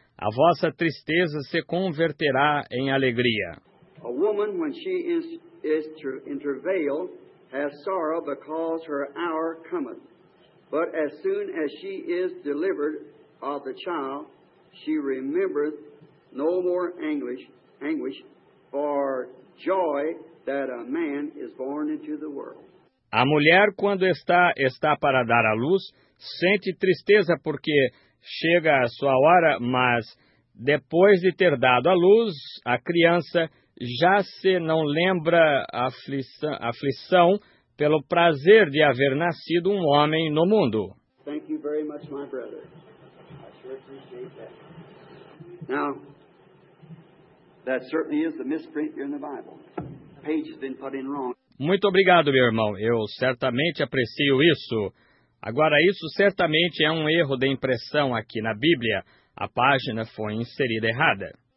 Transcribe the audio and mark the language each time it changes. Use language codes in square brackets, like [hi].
[pt] A vossa tristeza se converterá em alegria. [en] A woman, when she is, is in travail, hath sorrow because her hour cometh. But as soon as she is delivered of the child, she remembereth no more anguish, for joy that a man is born into the world. [pt] A mulher, quando está para dar à luz, sente tristeza porque chega a sua hora, mas depois de ter dado à luz, a criança já se não lembra a aflição pelo prazer de haver nascido um homem no mundo. [en] Thank you very much, my brother. I sure appreciate that. Now, that certainly is the misprint here in the Bible. The page has been put in wrong. [pt] Muito obrigado, meu irmão. Eu certamente aprecio isso. Agora, isso certamente é um erro de impressão aqui na Bíblia. A página foi inserida errada.